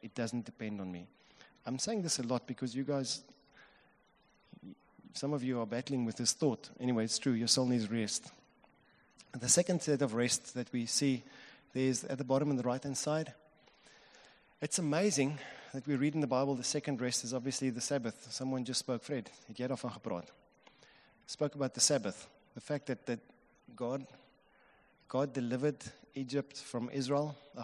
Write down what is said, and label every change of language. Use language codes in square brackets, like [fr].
[en] It doesn't depend on me. I'm saying this a lot because you guys, some of you are battling with this thought. Anyway, it's true. Your soul needs rest. And the second set of rest that we see, there's at the bottom on the right-hand side. It's amazing that we read in the Bible the second rest is obviously the Sabbath. Someone just spoke, [af] Fred, het jy daarvan gepraat? [en] Spoke about the Sabbath. The fact that, God delivered Egypt from Israel.